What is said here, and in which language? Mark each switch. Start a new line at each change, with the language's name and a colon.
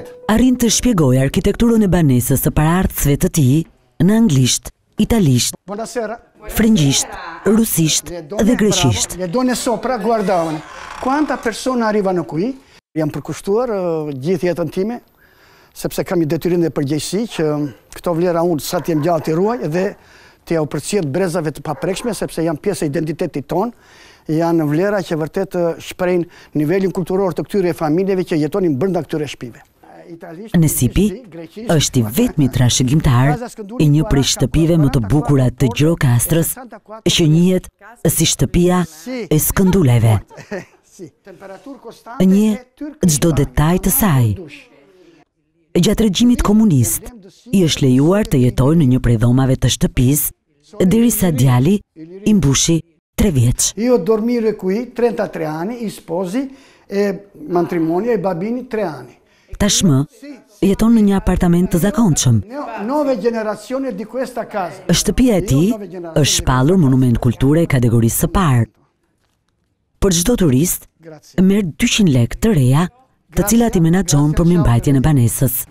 Albanian: Arrin të shpjegoj arkitekturën e banesës së paraardhësve të tij në anglisht, italisht, frëngjisht, rusisht dhe greqisht.
Italian: Le donne sopra guardavano. Quanta persona arrivano qui?
Albanian: Jam përkushtuar gjithë jetën time. Sepse kam I detyrin dhe përgjegjësi që këto vlera unë sa të jem gjallë të ruaj dhe të ja u përcjell brezave të paprekshme, sepse janë pjesë e identitetit tonë, janë vlera që vërtet shprehin nivelin kulturor të këtyre familjeve që jetonin brenda këtyre shtëpive. Nesipi është I vetmi trashëgimtar I një prej shtëpive më të bukura të Gjirokastrës, që njihet si shtëpia e skënduleve. Një çdo detaj të saj. Gjatë regjimit komunist, I është lejuar të jetoj në një prej dhomave të shtëpis, diri sa djali I mbushi 3 vjeç.
Italian: Io dormire qui 33 ani, I sposi, e matrimonio, e babini 3 ani.
Albanian: Tashmë, jeton në një apartament të zakonshëm. Shtëpia e ti është shpallur monument kulture e kategorisë së parë. Për çdo turist, merë 200 lekë të reja, të cilat I menaxhon për mirëmbajtjen e banesës.